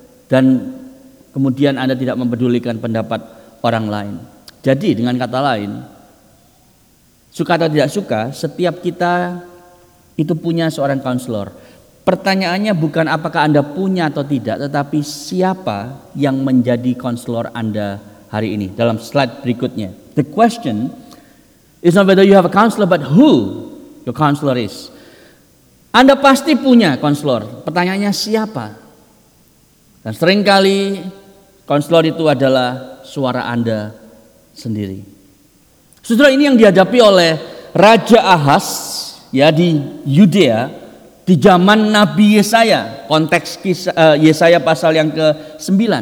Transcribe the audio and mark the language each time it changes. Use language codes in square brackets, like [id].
[id] Dan kemudian Anda tidak mempedulikan pendapat orang lain. Jadi dengan kata lain, suka atau tidak suka, setiap kita itu punya seorang konselor. Pertanyaannya bukan apakah Anda punya atau tidak, tetapi siapa yang menjadi konselor Anda hari ini. Dalam slide berikutnya, [en] the question is not whether you have a counselor, but who your counselor is. [id] Anda pasti punya konselor. Pertanyaannya siapa? Dan seringkali konselor itu adalah suara Anda sendiri. Saudara, ini yang dihadapi oleh Raja Ahaz ya di Yudea di zaman Nabi Yesaya, konteks Yesaya pasal yang ke-9.